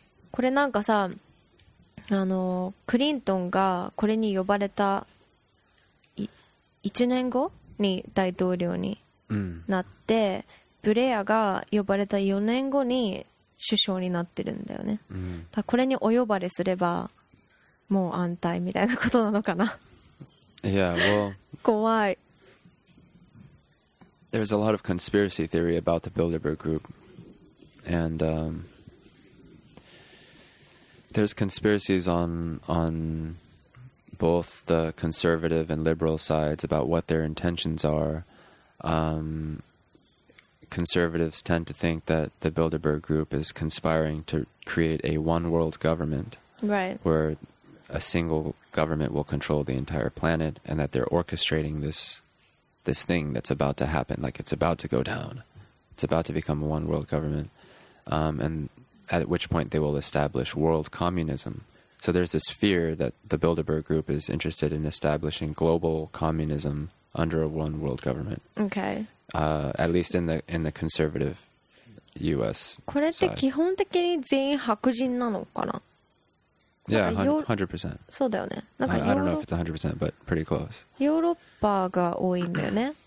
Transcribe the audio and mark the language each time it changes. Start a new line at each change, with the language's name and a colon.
Japanese: これなんかさ、クリントンがこれに呼ばれた1年後に大統領になって、うん、ブレアが呼ばれた4年後に首相になってるんだよね、うん、だこれにお呼ばれすればもう安泰みたいなことなのかな。
English: Yeah, well,
Japanese: 怖い。
English: There's a lot of conspiracy theory about the Bilderberg group, and there's conspiracies on both the conservative and liberal sides about what their intentions are. Conservatives tend to think that the Bilderberg Group is conspiring to create a one-world government, right, where a single government will control the entire planet, and that they're orchestrating this thing that's about to happen. Like, it's about to go down. It's about to become a one-world government, and at which point they will establish world communism. So there's this fear that the Bilderberg Group is interested in establishing global communism under a one-world government. Okay. At least in the conservative U.S.
Japanese: これって基本的に全員白人なのかな?
English: Yeah, 100%.
Japanese: そうだよね。
English: なんかI don't know if it's 100%, but pretty close.
Japanese: ヨーロッパが多いんだよね。